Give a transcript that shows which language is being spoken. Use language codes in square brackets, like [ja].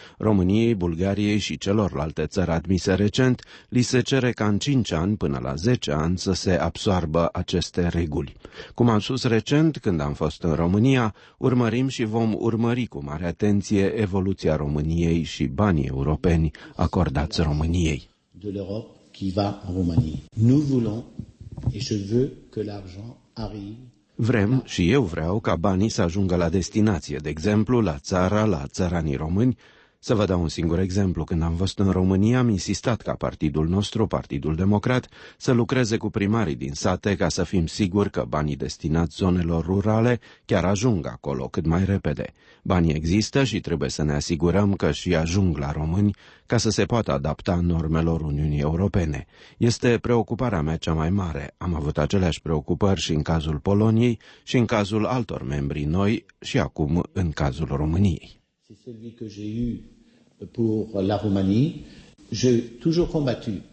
[ro] României, Bulgariei și celorlalte țări admise recent, li se cere ca în 5 ani până la 10 ani să se absorbă aceste reguli. Cum am spus recent, când am fost în România, urmărim și vom urmări cu mare atenție evoluția României și banii europeni acordați României. [fr] De l'Europe qui va en Roumanie. Nous voulons et je veux que l'argent arrive. [ro] Vrem și eu vreau ca banii să ajungă la destinație, de exemplu, la țara, la țăranii români. Să vă dau un singur exemplu. Când am fost în România, am insistat ca partidul nostru, Partidul Democrat, să lucreze cu primarii din sate ca să fim siguri că banii destinați zonelor rurale chiar ajung acolo cât mai repede. Banii există și trebuie să ne asigurăm că și ajung la români ca să se poată adapta normelor Uniunii Europene. Este preocuparea mea cea mai mare. Am avut aceleași preocupări și în cazul Poloniei și în cazul altor membri noi și acum în cazul României. [fr] Celui que j'ai eu pour la Roumanie, j'ai toujours combattu.